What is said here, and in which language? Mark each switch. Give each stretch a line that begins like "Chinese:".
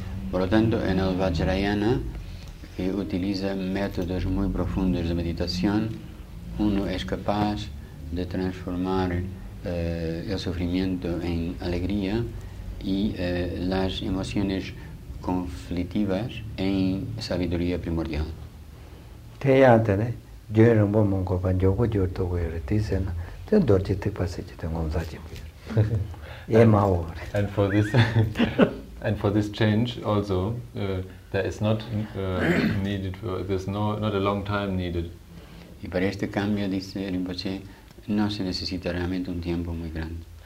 Spanish: Por lo tanto, en el Vajrayana, que utiliza métodos muy profundos de meditación, uno es capaz de transformar el sufrimiento en alegría y las emociones conflictivas en sabiduría primordial. Te yate ne, yo era un buen monco para yo cuando yo tuve el tizen, te dorche te pasé que tengo un zaje.
English: And for this and for this change also, there is not needed. There's not a long time needed.
Spanish: Y para este cambio, dice Rinpoche, no se necesita realmente un tiempo muy grande.